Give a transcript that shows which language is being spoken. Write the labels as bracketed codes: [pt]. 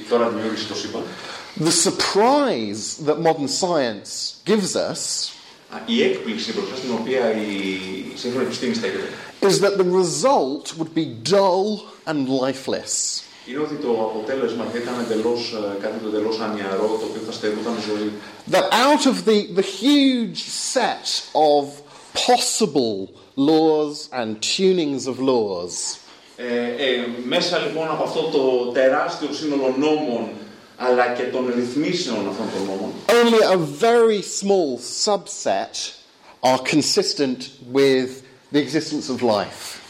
[en] The surprise that modern science gives us is that the result would be dull and lifeless. That out of the huge set of possible laws and tunings of laws. [el] Μέσα λοιπόν από αυτό το τεράστιο σύνολο νόμων αλλά και των ρυθμίσεων αυτών των νόμων. [en] Only a very small subset are consistent with the existence of life.